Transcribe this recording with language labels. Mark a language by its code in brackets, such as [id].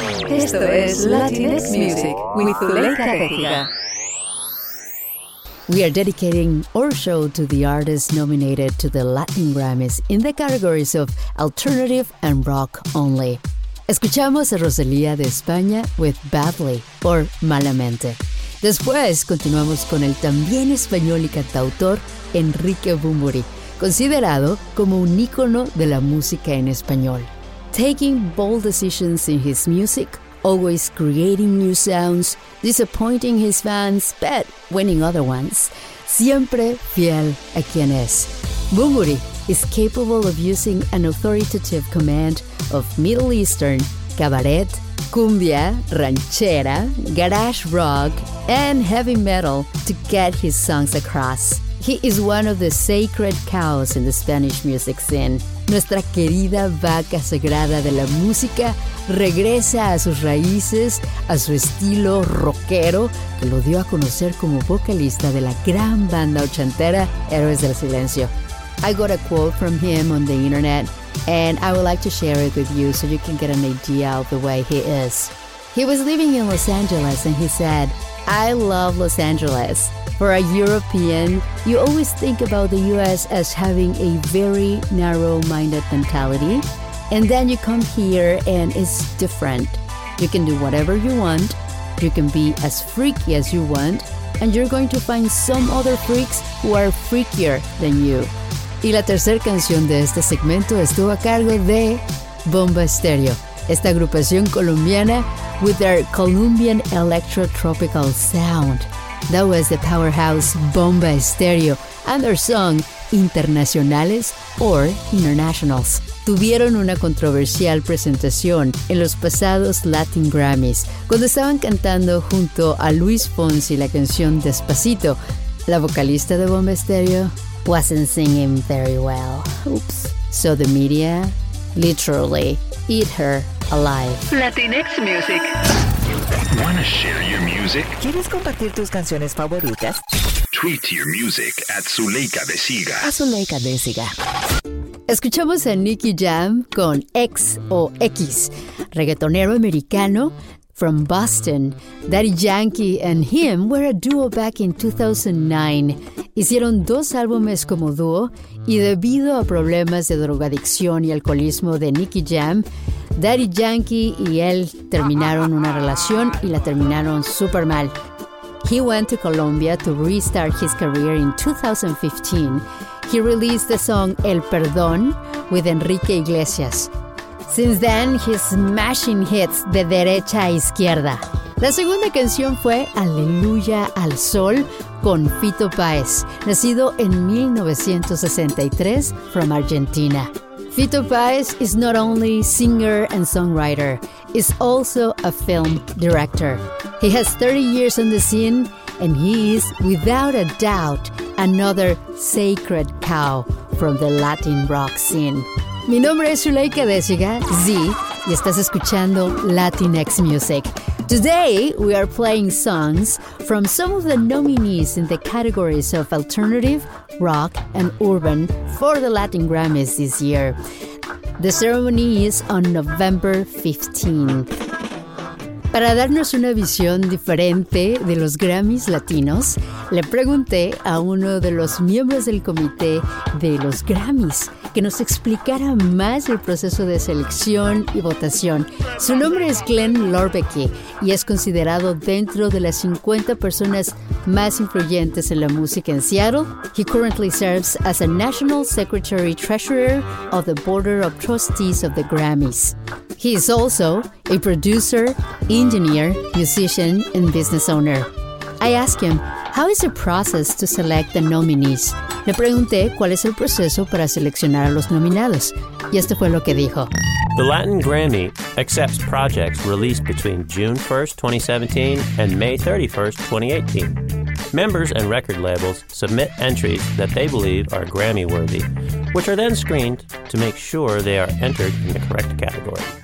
[es] Esto es Latinx Music with Zuleika Tejida. [en] We are dedicating our show to the artists nominated to the Latin Grammys in the categories of alternative and rock only. [es] Escuchamos a Rosalía de España [en] with Badly or [es] Malamente. Después continuamos con el también español y cantautor Enrique Bunbury, considerado como un ícono de la música en español. [en] Taking bold decisions in his music, always creating new sounds, disappointing his fans, but winning other ones. [es] Siempre fiel a quien es. [en] Bunbury is capable of using an authoritative command of Middle Eastern, cabaret, cumbia, ranchera, garage rock, and heavy metal to get his songs across. He is one of the sacred cows in the Spanish music scene. [es] Nuestra querida vaca sagrada de la música regresa a sus raíces, a su estilo rockero, que lo dio a conocer como vocalista de la gran banda ochentera Héroes del Silencio. [en] I got a quote from him on the internet, and I would like to share it with you so you can get an idea of the way he is. He was living in Los Angeles and he said, "I love Los Angeles. For a European, you always think about the US as having a very narrow-minded mentality. And then you come here and it's different. You can do whatever you want. You can be as freaky as you want. And you're going to find some other freaks who are freakier than you." [es] Y la tercera canción de este segmento estuvo a cargo de Bomba Estéreo, esta agrupación colombiana [en] with their Colombian electro-tropical sound. That was the powerhouse Bomba Estéreo and their song Internacionales or Internationals. [es] Tuvieron una controversial presentación en los pasados Latin Grammys cuando estaban cantando junto a Luis Fonsi la canción Despacito. La vocalista de [en] Bomba Estéreo wasn't singing very well. Oops. So the media literally eat her alive. Latinx Music. Want to share your music? [es] ¿Quieres compartir tus canciones favoritas? [en] Tweet your music at Zuleika de Siga. [es] A Zuleika de Siga. Escuchamos a Nicky Jam con X o X, reggaetonero americano [en] from Boston. Daddy Yankee and him were a duo back in 2009. [es] Hicieron dos álbumes como dúo y debido a problemas de drogadicción y alcoholismo de Nicky Jam, Daddy Yankee y él terminaron una relación y la terminaron super mal. [en] He went to Colombia to restart his career in 2015. He released the song El Perdón with Enrique Iglesias. Since then, he's smashing hits [es] de derecha a izquierda. La segunda canción fue Aleluya al Sol con Fito Páez, nacido en 1963 [en] from Argentina. Fito Páez is not only singer and songwriter, is also a film director. He has 30 years on the scene and he is, without a doubt, another sacred cow from the Latin rock scene. [es] Mi nombre es Zuleika Deziga, Z, y estás escuchando Latinx Music. [en] Today, we are playing songs from some of the nominees in the categories of alternative, rock, and urban for the Latin Grammys this year. The ceremony is on November 15. [es] Para darnos una visión diferente de los Grammys latinos, le pregunté a uno de los miembros del comité de los Grammys que nos explicara más el proceso de selección y votación. Su nombre es Glenn Lorbecki y es considerado dentro de las 50 personas más influyentes en la música en Seattle. [en] He currently serves as a National Secretary Treasurer of the Board of Trustees of the Grammys. He is also a producer, engineer, musician, and business owner. I asked him, how is the process to select the nominees? [es] Le pregunté cuál es el proceso para seleccionar a los nominados. Y esto fue lo que dijo. [en] The Latin Grammy accepts projects released between June 1st, 2017 and May 31st, 2018. Members and record labels submit entries that they believe are Grammy-worthy, which are then screened to make sure they are entered in the correct category.